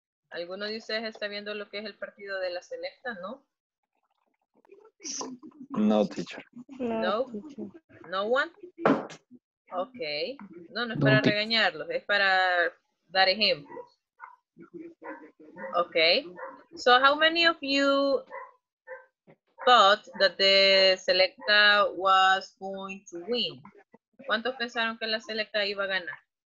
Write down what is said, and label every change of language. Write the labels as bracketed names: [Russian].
[Spanish] ¿Alguno de ustedes está viendo lo que es el partido de la selecta, no? [English] No, teacher. No? No one? Okay. [Spanish] No, no es para regañarlos, es para dar ejemplos. [English] Okay. So how many of you thought that the selecta was going to win? [Spanish] ¿Cuántos pensaron que la selecta iba a ganar?